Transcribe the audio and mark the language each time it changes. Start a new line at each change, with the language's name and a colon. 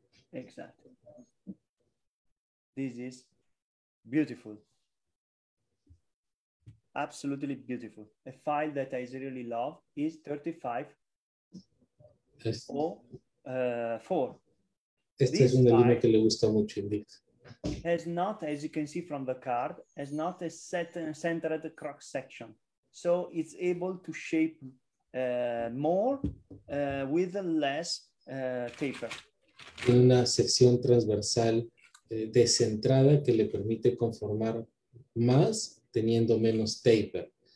Spanish: Exacto.
English: This is beautiful. Absolutely beautiful. A file that I really love is 3504.
Spanish: Este es una lima que le gusta mucho, Indic.
English: Has not, as you can see from the card, has not a set centered cross section. So it's able to shape more with less taper.
Spanish: Tiene una sección transversal descentrada que le permite conformar más teniendo menos taper.